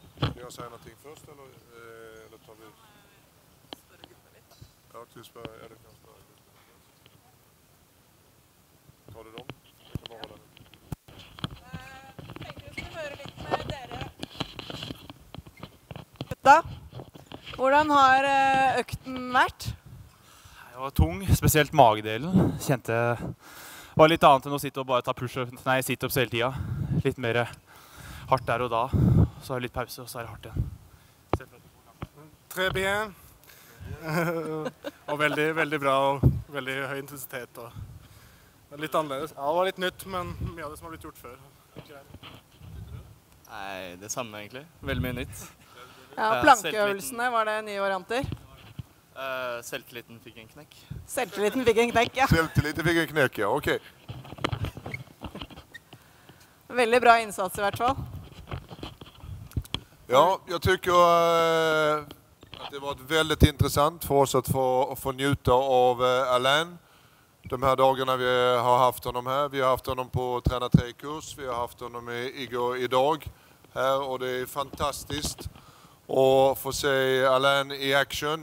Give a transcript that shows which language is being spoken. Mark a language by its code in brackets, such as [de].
[sv] Ska jag säga någonting först eller tar vi ut? Ja, tills bara är det ganska bra. Tar du dem? Jag kan bara hålla den. Tänker du att du hör lite med dere? [no] Gutta, hvordan har økten vært? Det var tung, spesielt magedelen. Kjente det var litt annet enn å sitte og bare ta push-ups hele tiden. Litt mer hardt der og da. Så har jeg litt pause, og så hardt igjen. Tre ben. Og veldig, veldig bra, og veldig høy intensitet. Og litt annerledes. Ja, det var litt nytt, men mye av det som har blitt gjort før. Nei, det samme egentlig. Veldig mye nytt. Ja, plankeøvelsene, var det nye varianter? Selvtilliten fikk en knekk. Selvtilliten fikk en knekk, ja. Selvtilliten fikk en knekk, ja, ok. Veldig bra innsats I hvert fall. [sv] Ja, jeg tycker at det var väldigt intressant for oss att få njuta av Alain. De här dagarna vi har haft honom här. Vi har haft honom på Träna 3-kurs. Vi har haft honom igår idag här och det är fantastiskt att få se Alain I action.